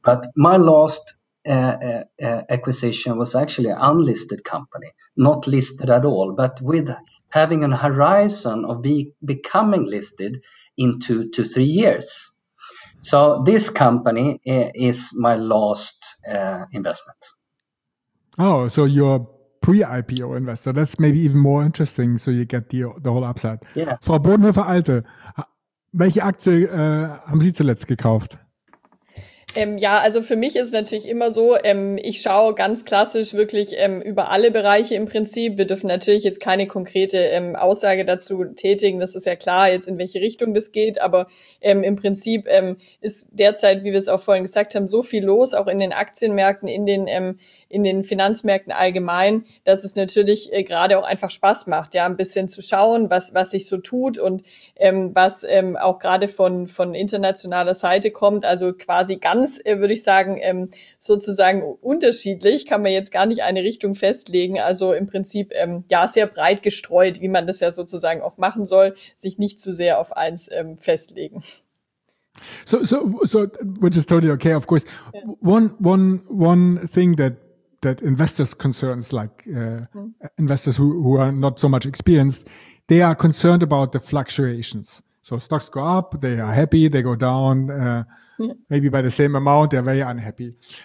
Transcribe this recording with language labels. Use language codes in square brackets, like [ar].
[en] But my last acquisition was actually an unlisted company, not listed at all, but with having an horizon of becoming listed in 2 to 3 years. So this company is my last investment. Oh, so you're pre-IPO investor. That's maybe even more interesting. So you get the whole upside. Yeah. [de] Frau Bodenhöfer Alte, welche Aktie haben Sie zuletzt gekauft? Ja, also für mich ist natürlich immer so, ich schaue ganz klassisch wirklich über alle Bereiche im Prinzip. Wir dürfen natürlich jetzt keine konkrete Aussage dazu tätigen. Das ist ja klar jetzt, in welche Richtung das geht. Aber im Prinzip ist derzeit, wie wir es auch vorhin gesagt haben, so viel los, auch in den Aktienmärkten, in den Finanzmärkten allgemein, dass es natürlich gerade auch einfach Spaß macht, ja, ein bisschen zu schauen, was sich so tut und was auch gerade von internationaler Seite kommt. Also quasi ganz, würde ich sagen, sozusagen unterschiedlich, kann man jetzt gar nicht eine Richtung festlegen. Also im Prinzip, ja, sehr breit gestreut, wie man das ja sozusagen auch machen soll, sich nicht zu sehr auf eins festlegen. [en] So, which is totally okay, of course. One thing that investors concerns, like investors who are not so much experienced, they are concerned about the fluctuations. So stocks go up, they are happy, they go down, maybe by the same amount, they're very unhappy.